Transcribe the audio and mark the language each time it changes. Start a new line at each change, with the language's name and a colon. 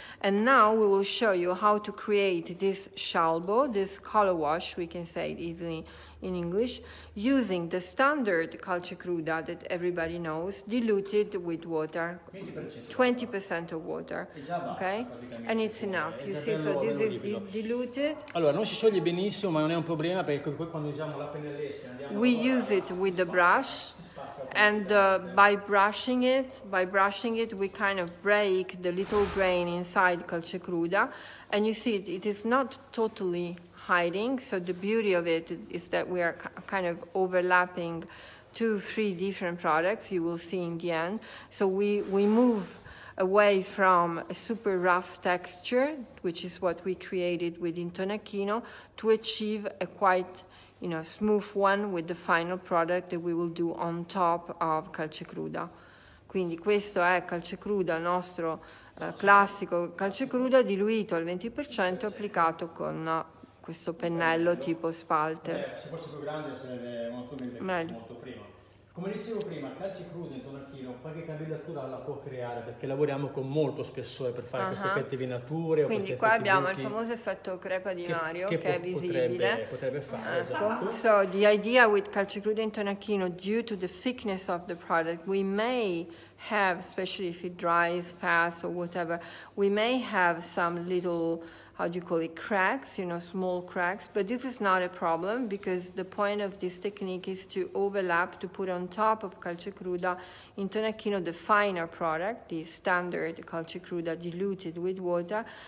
English: And now we will show you how to create this scialbo, this color wash, we can say it easily in English, using the standard calce cruda that everybody knows, diluted with water, 20% of water, okay? And it's enough, you see, so this is diluted.
Italian: Allora, non si scioglie benissimo, ma non è un problema, perché poi quando usiamo la pennellesse,
English: we use it with the brush, and by brushing it, we kind of break the little grain inside calce cruda, and you see, it is not totally hiding, so the beauty of it is that we are kind of overlapping two, three different products you will see in the end. So we move away from a super rough texture, which is what we created with intonacchino, to achieve a quite, you know, smooth one with the final product that we will do on top of calce cruda.
Italian: Quindi questo è calce cruda, il nostro classico calce cruda diluito al 20% applicato con questo pennello tipo spalter. Se fosse più grande sarebbe molto meglio, molto prima. Come dicevo prima, calce crudo in tonacchino qualche cavellatura la può creare, perché lavoriamo con molto spessore per fare questi effetti venature. Quindi qua abbiamo il famoso effetto crepa di Mario, che è visibile. Potrebbe fare, ecco. Esatto.
English: So, the idea with calce crudo in tonacchino, due to the thickness of the product, we may have, especially if it dries fast or whatever, we may have some little how do you call it, cracks, you know, small cracks. But this is not a problem because the point of this technique is to overlap, to put on top of calce cruda in tonacchino the finer product, the standard calce cruda diluted with water.